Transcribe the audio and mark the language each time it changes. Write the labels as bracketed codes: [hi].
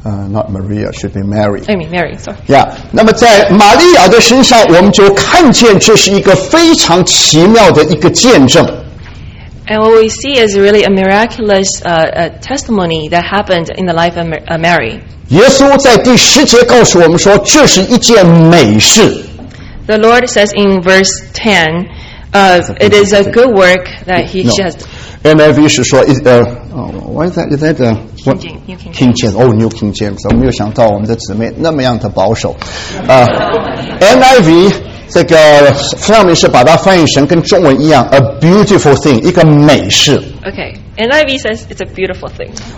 [en] Not Maria, should be Mary. I mean Mary, sorry. Yeah. [zh] 那么在玛利亚的身上，我们就看见这是一个非常奇妙的一个见证。 [en] And what we see is really a miraculous testimony that happened in the life of Mary. [zh] 耶稣在第十节告诉我们说，这是一件美事。 [en] The Lord says in verse 10, it is a good work that she has. [zh] NIV 是说 [en] why is that King James. Oh, New King James. [zh] 我没有想到我们的姊妹那么样的保守。NIV 这个上面是把它翻译成跟中文一样 [en] a beautiful thing, [zh] 一个美事。 [en] Okay, NIV says it's a beautiful thing.